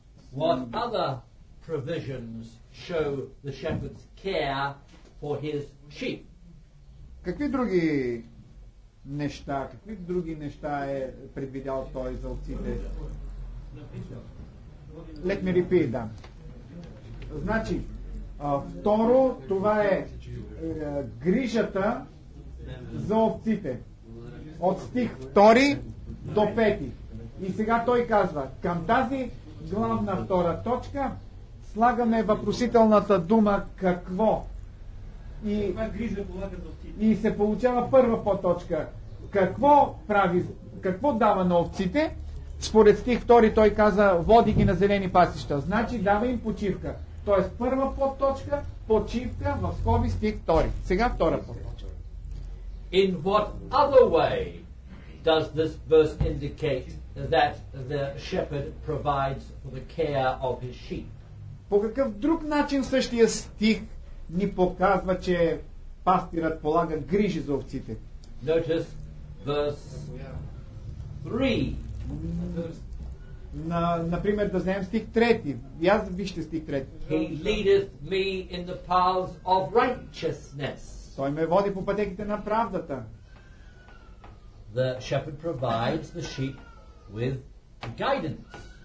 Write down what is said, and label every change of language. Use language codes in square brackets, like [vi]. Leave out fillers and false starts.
[en] What other provisions show the shepherd's care for his sheep? [bg] Какви други неща, какви други неща е предвидял той за овците? [en] Let me repeat that. [bg] Значи, второ, това е грижата за овците. От стих 2 до 5. И сега той казва, към тази главна втора точка слагаме въпросителната дума какво. И се получава първа подточка. Какво прави, какво дава на овците? Според стих 2 той каза, води ги на зелени пасища. Значи дава им почивка. Тоест първа подточка, почивка в скоби стих 2. Сега втора подточка. [en] In what other way does this verse indicate that the shepherd provides for the care of his sheep? [bg] По какъв друг начин същия стих ни показва, че пастирът полага грижи за овците? [en] Notice verse 3. [bg] Например, да вземем стих 3. И аз вижте стих 3. [en] He leadeth me in the paths of righteousness. [bg] Той ме води по пътеките на правдата. [en] The shepherd provides the sheep with guidance.